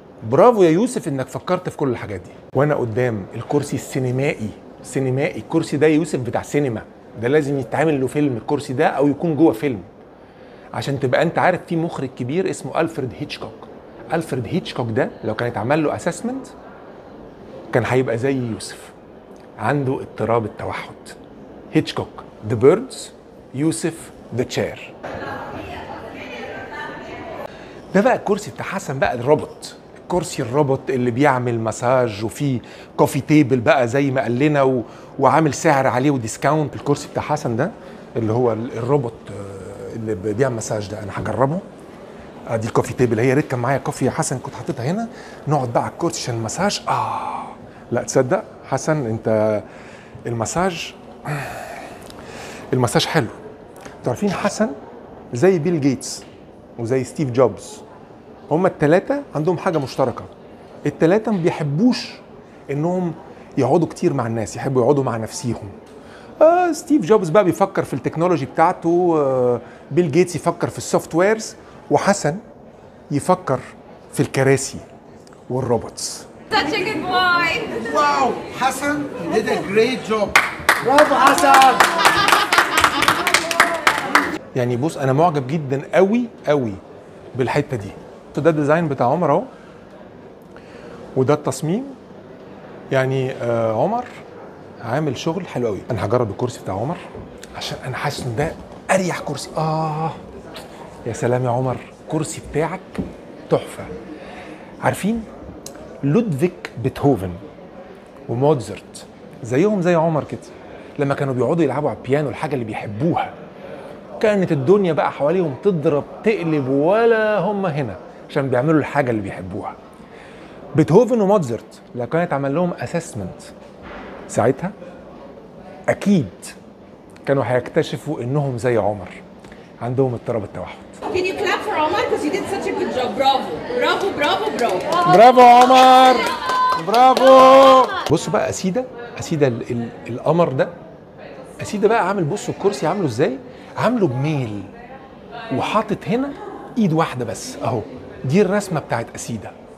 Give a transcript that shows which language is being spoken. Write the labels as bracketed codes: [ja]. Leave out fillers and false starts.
[ar] برافو يا يوسف انك فكرت في كل الحاجات دي. وانا قدام الكرسي السينمائي، سينمائي، الكرسي ده يوسف بتاع سينما، ده لازم يتعمل له فيلم الكرسي ده او يكون جوه فيلم. عشان تبقى انت عارف في مخرج كبير اسمه ألفريد هيتشكوك. ألفريد هيتشكوك ده لو كان اتعمل له اسسمنت كان هيبقى زي يوسف، عنده اضطراب التوحد. هيتشكوك The Birds، يوسف The Chair. ده بقى الكرسي بتاع حسن بقى الروبوت، الكرسي الروبوت اللي بيعمل مساج وفيه كوفي تيبل بقى زي ما قال لنا وعامل سعر عليه وديسكاونت. الكرسي بتاع حسن ده اللي هو الروبوت اللي بيبيع مساج ده انا هجربه. ادي الكوفي تيبل، هي ريت كان معايا كوفي يا حسن كنت حطيتها هنا، نقعد بقى على الكرسي عشان المساج. لا تصدق حسن انت المساج، المساج حلو. تعرفين حسن زي بيل جيتس وزي ستيف جوبز، هما الثلاثه عندهم حاجه مشتركه، الثلاثه ما بيحبوش انهم يقعدوا كتير مع الناس، يحبوا يقعدوا مع نفسيهم. ستيف جوبز بقى بيفكر في التكنولوجي بتاعته، بيل جيتس يفكر في السوفت ويرز، وحسن يفكر في الكراسي والروبوتس. [en] Such a good boy. Wow Hasan did a great job. [ar] برافو حسن. يعني بص انا معجب جدا قوي قوي بالحته دي. ده الديزاين بتاع عمر اهو، وده التصميم. يعني عمر عامل شغل حلو قوي. انا هجرب الكرسي بتاع عمر عشان انا حاسس ان ده اريح كرسي. يا سلام يا عمر، كرسي بتاعك تحفه. عارفين لودفيك بيتهوفن وموتزارت زيهم زي عمر كده، لما كانوا بيقعدوا يلعبوا على البيانو الحاجه اللي بيحبوها كانت الدنيا بقى حواليهم تضرب تقلب، ولا هم هنا عشان بيعملوا الحاجه اللي بيحبوها. بيتهوفن وموتزارت لو كانت عمل لهم اسسمنت ساعتها اكيد كانوا هيكتشفوا انهم زي عمر عندهم اضطراب التوحد. [en] Can you clap for Omar because you did such a good job. Bravo. Bravo bravo bravo. Bravo Omar. Bravo. [ar] بصوا بقى اسيده اسيده القمر ده اسيده بقى عامل بصوا الكرسي عامله ازاي؟ عامله بميل وحاطط هنا ايد واحده بس اهو. دي الرسمه بتاعت اسيده.